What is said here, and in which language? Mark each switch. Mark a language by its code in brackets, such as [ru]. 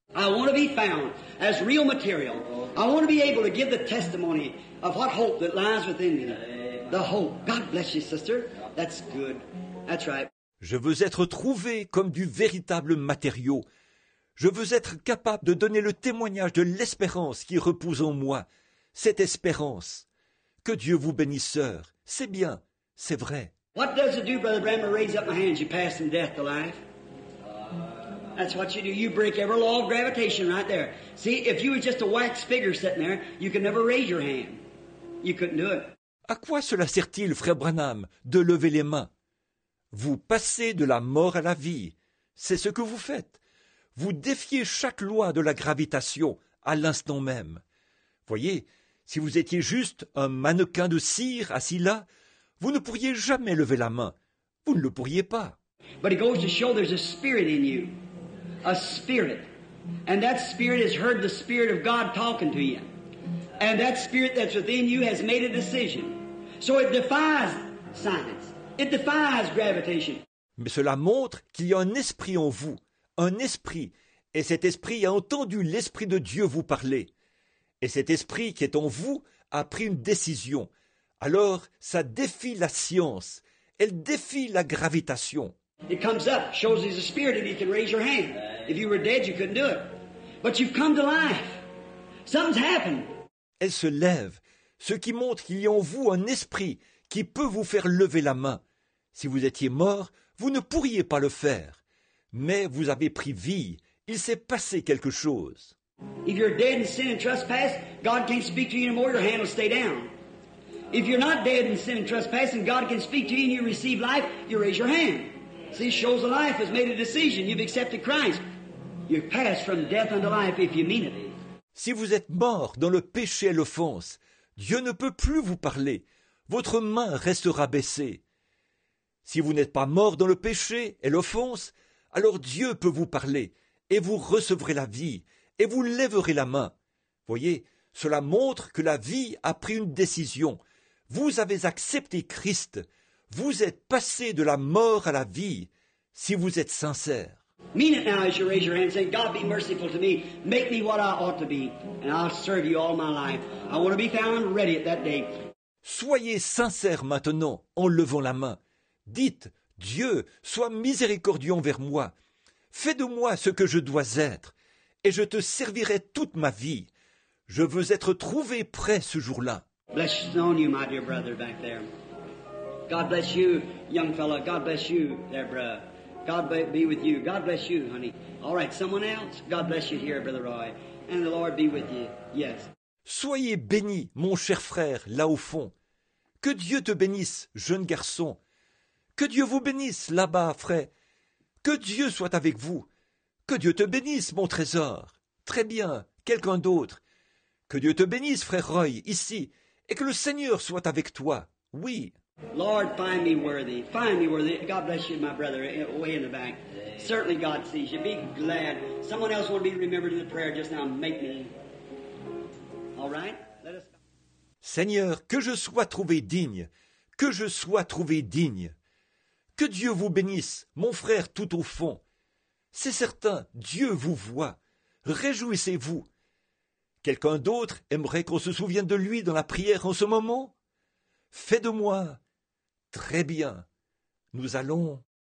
[en] I want to be found as real material. I want to be able to give the testimony of what hope that lies within me. The hope. God bless you, sister. That's good. That's right. [fr] Je veux être trouvé comme du véritable matériau. Je veux être capable de donner le témoignage de l'espérance qui repose en moi. Cette espérance. Que Dieu vous bénisse, sœur. C'est bien. C'est vrai. [en] What does it do, Brother Bram, to raise up my hands? You pass from death to life. That's what you do. You break every law of gravitation right there. See, if you were just a wax figure sitting there, you could never raise your hand. You couldn't do it. [fr] À quoi cela sert-il, Frère Branham, de lever les mains? Vous passez de la mort à la vie. C'est ce que vous faites. Vous défiez chaque loi de la gravitation à l'instant même. Voyez, si vous étiez juste un mannequin de cire assis là, vous ne pourriez jamais lever la main. Vous ne le pourriez pas. [en] But it goes to show there's a spirit in you. A spirit. And that spirit has heard the spirit of God talking to you. And that spirit that's within you has made a decision. So it defies science. It defies gravitation. [fr] Mais cela montre qu'il y a un esprit en vous. Un esprit, et cet esprit a entendu l'Esprit de Dieu vous parler. Et cet esprit qui est en vous a pris une décision. Alors, ça défie la science. Elle défie la gravitation. [en] It comes up, shows he's a spirit, and he can raise your hand. If you were dead, you couldn't do it. But you've come to life. Something's happened. [fr] Elle se lève, ce qui montre qu'il y a en vous un esprit qui peut vous faire lever la main. Si vous étiez mort, vous ne pourriez pas le faire. Mais vous avez pris vie. Il s'est passé quelque chose. [en] If you're dead in sin and trespass, God can't speak to you anymore. Your hand will stay down. If you're not dead in sin and trespass, and God can speak to you and you receive life, you raise your hand. See, it shows the life has made a decision. You've accepted Christ. You pass from death unto life if you mean it. [fr] Si vous êtes mort dans le péché et l'offense, Dieu ne peut plus vous parler. Votre main restera baissée. Si vous n'êtes pas mort dans le péché et l'offense, alors Dieu peut vous parler, et vous recevrez la vie, et vous lèverez la main. Voyez, Cela montre que la vie a pris une décision. Vous avez accepté Christ. Vous êtes passé de la mort à la vie, si vous êtes sincère. [en] Mean it now as you raise your hand and say, God, be merciful to me. Make me what I ought to be, and I'll serve you all my life. I want to be found ready at that day. [fr] Soyez sincère maintenant en levant la main. Dites, Dieu, sois miséricordieux envers moi. Fais de moi ce que je dois être, et je te servirai toute ma vie. Je veux être trouvé prêt ce jour-là. [en] Blessings on you, my dear brother back there. God bless you, young fellow. God bless you, there, bro. God be with you. God bless you, honey. All right, someone else? God bless you here, Brother Roy. And the Lord be with you. Yes. [fr] Soyez béni, mon cher frère, là au fond. Que Dieu te bénisse, jeune garçon. Que Dieu vous bénisse, là-bas, frère. Que Dieu soit avec vous. Que Dieu te bénisse, mon trésor. Très bien, quelqu'un d'autre. Que Dieu te bénisse, frère Roy, ici. Et que le Seigneur soit avec toi. Oui. [en] Lord, find me worthy. Find me worthy. God bless you, my brother, way in the back. Certainly God sees you. Be glad. Someone else will be remembered in the prayer just now. Make me. All right? Let us go. [fr] Seigneur, que je sois trouvé digne. Que je sois trouvé digne. Que Dieu vous bénisse, mon frère tout au fond. C'est certain, Dieu vous voit. Réjouissez-vous. Quelqu'un d'autre aimerait qu'on se souvienne de lui dans la prière en ce moment? Fais de moi. Très bien. Nous allons...